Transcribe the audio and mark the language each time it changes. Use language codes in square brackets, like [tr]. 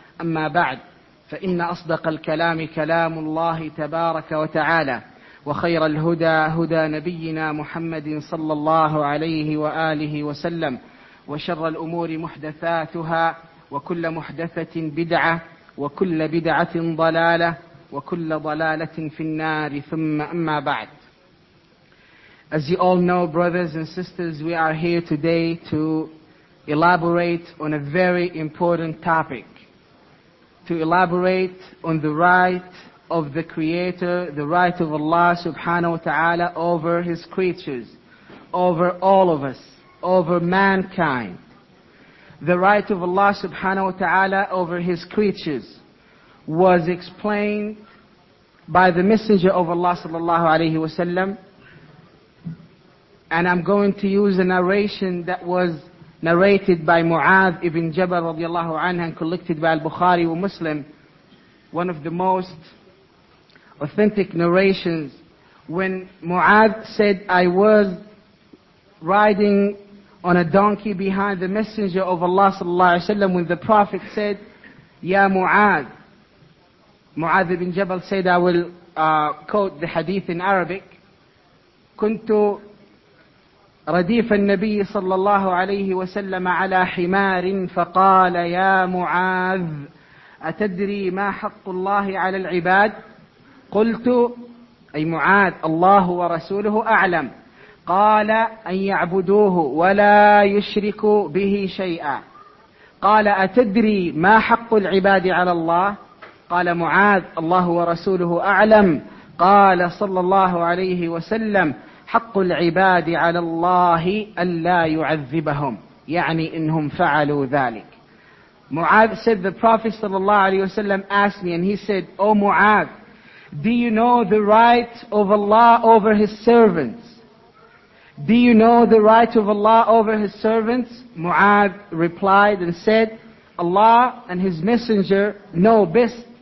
[ar] أما بعد، فإن أصدق الكلام كلام الله تبارك وتعالى، وخير الهدى هدى نبينا محمد صلى الله عليه وآله وسلم، وشر الأمور محدثاتها، وكل محدثة بدعة، وكل بدعة ضلالة، وكل ضلالة في النار. ثم أما بعد. [en] As you all know, brothers and sisters, we are here today to elaborate on a very important topic. To elaborate on the right of the Creator, the right of Allah subhanahu wa ta'ala over His creatures, over all of us, over mankind. The right of Allah subhanahu wa ta'ala over His creatures was explained by the Messenger of Allah sallallahu alayhi wa sallam. And I'm going to use a narration that was narrated by Mu'adh ibn Jabal radiallahu anhu and collected by Al-Bukhari wa Muslim, one of the most authentic narrations, when Mu'adh said, I was riding on a donkey behind the Messenger of Allah sallallahu alayhi wa sallam when the Prophet said, Ya Mu'adh. Mu'adh ibn Jabal said, I will quote the hadith in Arabic, [ar] Kuntu رديف النبي صلى الله عليه وسلم على حمار فقال يا معاذ أتدري ما حق الله على العباد؟ قلت أي معاذ الله ورسوله أعلم. قال أن يعبدوه ولا يشركوا به شيئا. قال أتدري ما حق العباد على الله؟ قال معاذ الله ورسوله أعلم. قال صلى الله عليه وسلم حق العباد على الله ألا يعذبهم، يعني إنهم فعلوا ذلك. [en] Mu'adh said, the Prophet sallallahu alayhi wa sallam asked me and he said, O Mu'adh, do you know the right of Allah over His servants? Do you know the right of Allah over His servants? Mu'adh replied and said, Allah and His Messenger know best.